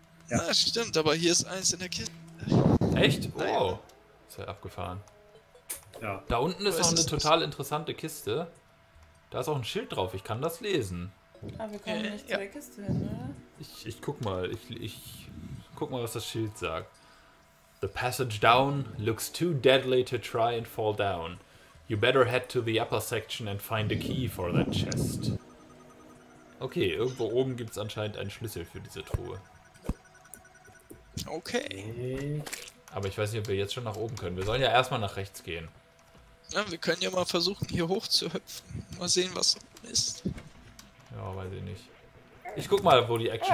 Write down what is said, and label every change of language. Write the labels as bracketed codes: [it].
[de] Ja, stimmt, aber hier ist eins in der Kiste. Echt? Naja. Oh. Ist ja abgefahren. Ja. Da unten ist Aber noch es eine ist nicht. total interessante Kiste. Da ist auch ein Schild drauf. Ich kann das lesen. Aber wir kommen nicht zu der Kiste hin, oder? Ich guck mal. Ich guck mal, was das Schild sagt. [en] The passage down looks too deadly to try and fall down. You better head to the upper section and find a key for that chest. [de] Okay, irgendwo oben gibt es anscheinend einen Schlüssel für diese Truhe. Okay. Aber ich weiß nicht, ob wir jetzt schon nach oben können. Wir sollen ja erstmal nach rechts gehen. Ja, wir können ja mal versuchen, hier hoch zu hüpfen. Mal sehen, was oben ist. Ja, weiß ich nicht. Ich guck mal, wo die Action